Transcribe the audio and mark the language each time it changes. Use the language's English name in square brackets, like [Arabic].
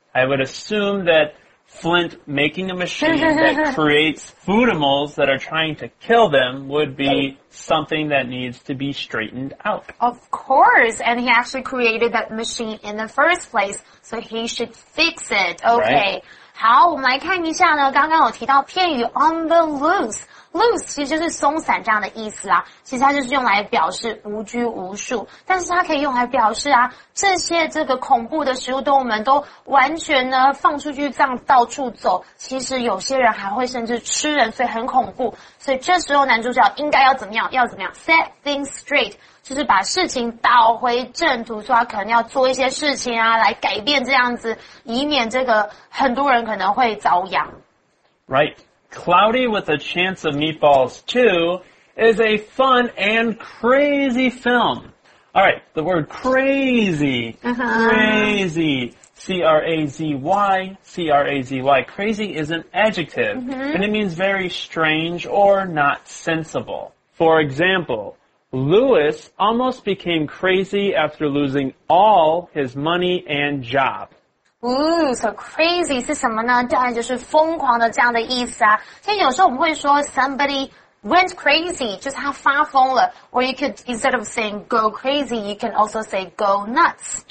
[English] I would assume that Flint making a machine that creates foodimals that are trying to kill them would be something that needs to be straightened out. Of course, and he actually created that machine in the first place, so he should fix it. Okay. Right. [Chinese] 好，我们来看一下呢，刚刚有提到片语 on the loose， loose 其实就是松散这样的意思啦，其实它就是用来表示无拘无束，但是它可以用来表示啊，这些这个恐怖的食物动物们都完全呢放出去这样到处走，其实有些人还会甚至吃人，所以很恐怖，所以这时候男主角应该要怎么样，要怎么样 [English] set things straight， [Chinese] 就是把事情倒回正途，说他可能要做一些事情啊，来改变这样子，以免这个很多人可能会遭殃。 [English] Right. Cloudy with a Chance of Meatballs 2 is a fun and crazy film. All right. The word crazy. Uh-huh. Crazy. C-R-A-Z-Y, C-R-A-Z-Y. Crazy is an adjective,、mm-hmm. and it means very strange or not sensible. For example, Lewis almost became crazy after losing all his money and job. Ooh, so [Chinese] crazy 是什么呢？当然就是疯狂的这样的意思啊。其实有时候我们会说 [English] somebody went crazy, [Chinese] 就是他发疯了。 [English] Or you could, instead of saying go crazy, you can also say go nuts.